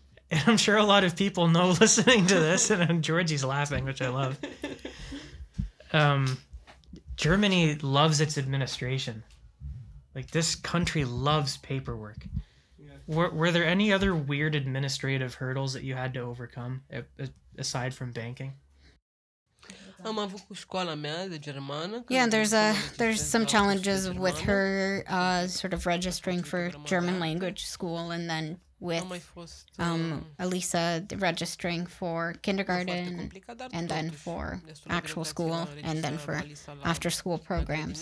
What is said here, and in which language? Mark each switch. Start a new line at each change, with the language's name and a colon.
English: And I'm sure a lot of people know listening to this, and Georgie's laughing, which I love. Germany loves its administration. Like, this country loves paperwork. Were there any other weird administrative hurdles that you had to overcome aside from banking?
Romanian: Am avut cu școala mea de germană.
English: Yeah, there's some challenges with her sort of registering for German language school, and then with Elisa registering for kindergarten and then for actual school and then for after school programs.